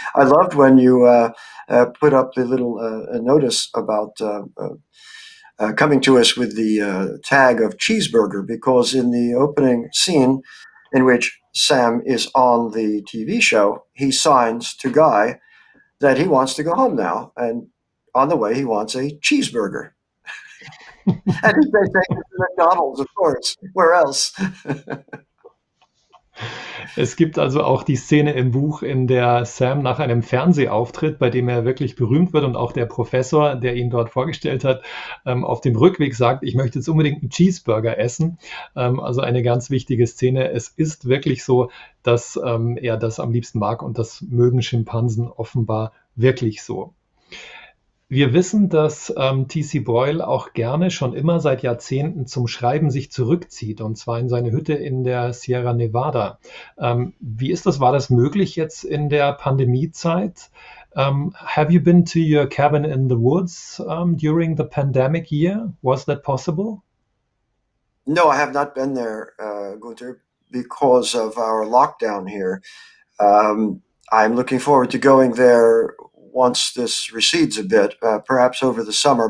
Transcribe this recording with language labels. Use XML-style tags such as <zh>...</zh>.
<en>I loved when you put up the little a notice about coming to us with the tag of cheeseburger, because in the opening scene in which Sam is on the TV show, he signs to Guy that he wants to go home now, and on the way, he wants a cheeseburger. And they take it to McDonald's, of course. Where else?</en> <de>Es gibt also auch die Szene im Buch, in der Sam nach einem Fernsehauftritt, bei dem er wirklich berühmt wird und auch der Professor, der ihn dort vorgestellt hat, auf dem Rückweg sagt, ich möchte jetzt unbedingt einen Cheeseburger essen. Also eine ganz wichtige Szene. Es ist wirklich so, dass er das am liebsten mag und das mögen Schimpansen offenbar wirklich so. Wir wissen, dass T.C. Boyle auch gerne schon immer seit Jahrzehnten zum Schreiben sich zurückzieht, und zwar in seine Hütte in der Sierra Nevada. Wie ist das? War das möglich jetzt in der Pandemiezeit?</de> <en>Have you been to your cabin in the woods during the pandemic year? Was that possible? No, I have not been there, Gunther, because of our lockdown here. I'm looking forward to going there once this recedes a bit, perhaps over the summer.</en>